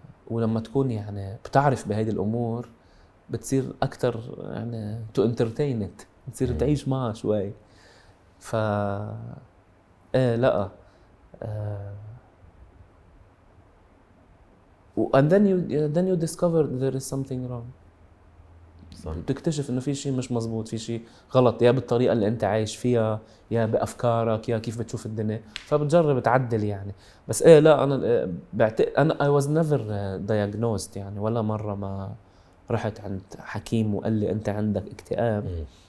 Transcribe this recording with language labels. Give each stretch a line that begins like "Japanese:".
Arabic: ولما تكون يعني بتعرف بهذه الامور بتصير اكثر يعني تو انترتين، بتصير تعيش معها شوي. ف ايه لا
English: and then you discover there is something wrong.
Arabic: بتكتشف انه في شيء مش مزبوط، في شيء غلط، يا بالطريقه اللي انت عايش فيها، يا بافكارك، يا كيف بتشوف الدنيا، فبتجرب تعدل يعني. بس ايه لا انا بعتقد انا
English: I was never diagnosed،
Arabic: يعني ولا مره ما رحت عند حكيم وقال لي انت عندك اكتئاب.